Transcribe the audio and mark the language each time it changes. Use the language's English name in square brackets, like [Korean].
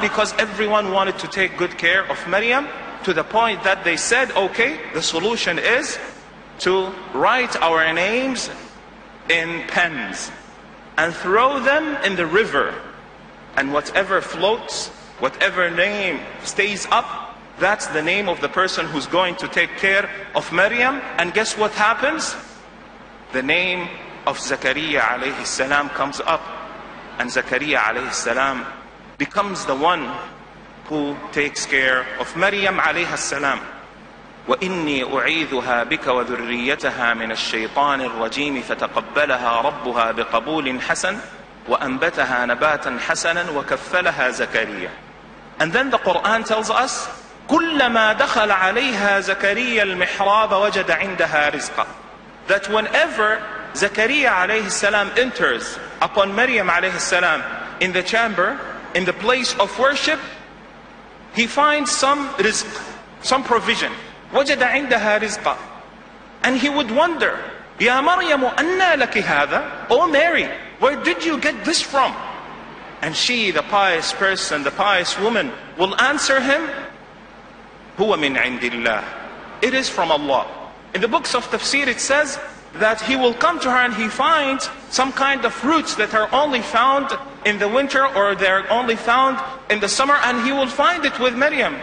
[English] Because everyone wanted to take good care of Maryam, to the point that they said, okay, the solution is to write our names in pens and throw them in the river, and whatever floats, whatever name stays up, that's the name of the person who's going to take care of Maryam. And guess what happens? The name of Zakariya alayhi salam comes up, and Zakariya alayhi salam becomes the one who takes care of Maryam alayhi salam. [Arabic] وإني أعيذها بك وذريتها من الشيطان الرجيم فتقبلها ربها بقبول حسن وأنبتها نباتا حسنا وكفلها زكريا. [English] And then the Quran tells us, [Arabic] كلما دخل عليها زكريا المحراب وجد عندها رزقا. [English] That whenever Zakariya alayhi salam enters upon Maryam alayhi salam in the chamber, in the place of worship, he finds some rizq, some provision. [Arabic] وجد عندها رزقا. [English] And he would wonder, [Arabic] يا مريم أنى لك هذا. [English] Oh Mary, where did you get this from? And she, the pious person, the pious woman, will answer him, [Arabic] هو من عند الله. [English] It is from Allah. In the books of tafsir it says that he will come to her and he finds some kind of fruits that are only found in the winter or they're only found in the summer, and he will find it with Maryam.